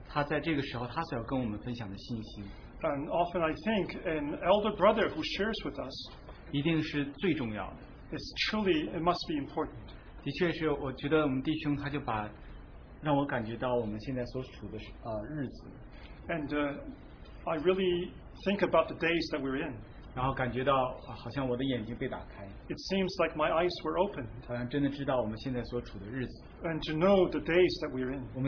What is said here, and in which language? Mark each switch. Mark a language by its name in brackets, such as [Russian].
[Chinese] 有的时候我就在想说，一个老人，一个老的弟兄，他在这个时候，他所要跟我们分享的信息。 [English] And often I think an elder brother who shares with us, [Chinese] 一定是最重要的。 [English] It's truly, it must be important. [Chinese] 的确是，我觉得我们弟兄他就把让我感觉到我们现在所处的日子。 [English] And I really think about the days that we're in. [Chinese] 然后感觉到好像我的眼睛被打开。 [English] It seems like my eyes were opened. [Chinese] 好像真的知道我们现在所处的日子。 [English] And to know the days that we're in.